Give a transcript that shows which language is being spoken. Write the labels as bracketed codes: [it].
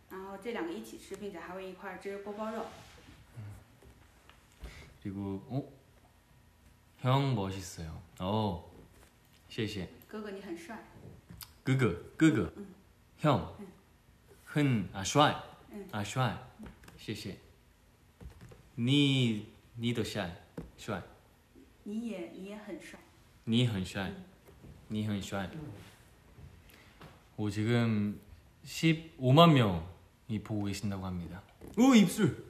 [zh] 然后这两个一起吃，并且还会一块吃锅包肉。 [ko] 그리고어형멋있어요어 [zh] 谢谢哥哥你很帅哥哥哥哥형 很 아帅아帅谢谢你도帅帅你也很帅你很帅你很帅我 [ko] 지금15만명이보고계신다고합니다오입술